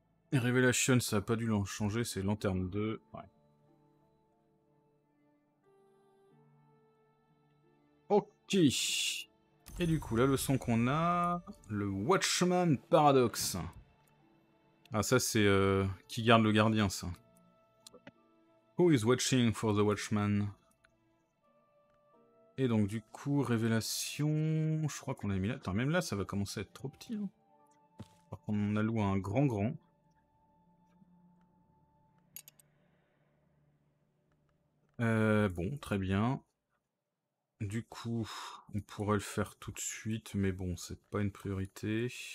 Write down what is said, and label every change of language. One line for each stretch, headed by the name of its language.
French: Révélation, ça a pas dû l'en changer, c'est Lanterne 2. Ouais. Ok. Et du coup, la leçon qu'on a, le Watchman Paradox. Ah, ça, c'est qui garde le gardien, ça.
English: Who is watching for the Watchman?
French: Et donc, du coup, révélation, je crois qu'on l'a mis là. Attends, même là, ça va commencer à être trop petit. Hein. Par contre, on alloue un grand. Bon, très bien. Du coup, on pourrait le faire tout de suite, mais bon, c'est pas une priorité.